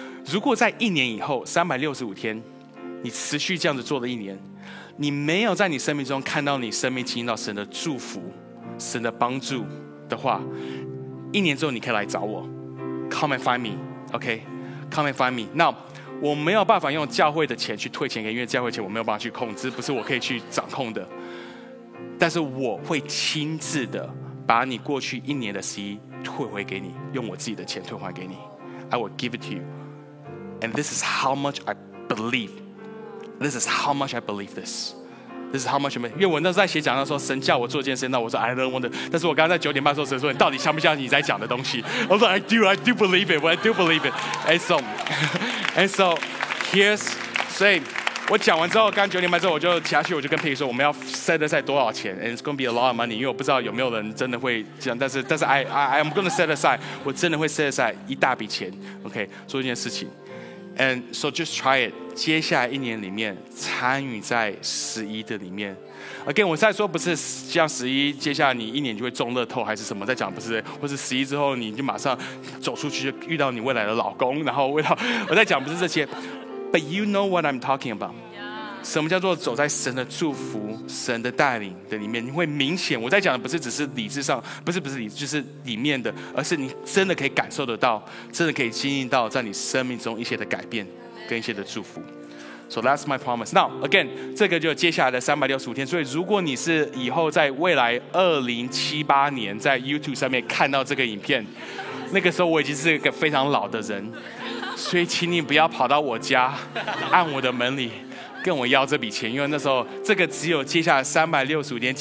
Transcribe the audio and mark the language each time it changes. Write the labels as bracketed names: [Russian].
[Chinese] 如果在一年以后365天你持续这样子做了一年，你没有在你生命中看到你生命经历到神的祝福神的帮助的话，一年之后你可以来找我， [English] Come and find me， OK， Come and find me。 [Chinese] Now 我没有办法用教会的钱去退钱给，因为教会钱我没有办法去控制，不是我可以去掌控的，但是我会亲自的把你过去一年的十一退回给你，用我自己的钱退还给你。 [English] I will give it to you and this is how much I believe， this is how much I believe this， this is how much I believe。 [Chinese] 因为我那时候在写讲章的时候，神叫我做一件事，那我说 [English] I don't want to， [Chinese] 但是我刚刚在九点半的时候，神说你到底相不相信你在讲的东西。 [English] I was like I do believe it， I do believe it。 And so here's， [Chinese] 所以我讲完之后，刚九点半之后，我就下去，我就跟佩仪说，我们要 set aside 多少钱 ？ [English] And it's going to be a lot of money， [Chinese] 因为我不知道有没有人真的会这样，但是 [English] I'm going to set aside， [Chinese] 我真的会 set aside 一大笔钱 ，OK， 做一件事情。 [English] And so just try it， [Chinese] 接下来一年里面参与在十一的里面。 Again， 我在说不是像十一，接下来你一年就会中乐透还是什么，在讲不是，或是十一之后你就马上走出去就遇到你未来的老公，然后未来我在讲不是这些。 [English] But you know what I'm talking about、yeah. [Chinese] 什么叫做走在神的祝福神的带领的里面，你会明显，我在讲的不是只是理智上，不是理智，就是里面的，而是你真的可以感受得到，真的可以经历到在你生命中一些的改变跟一些的祝福。 [English] So that's my promise。 [Chinese] Now again 这个就接下来的365天，所以如果你是以后在未来2078年在 YouTube 上面看到这个影片，那个时候我已经是一个非常老的人，所以请你不要跑到我家按我的门里跟我要这笔钱，因为那时候这个只有接下来365天。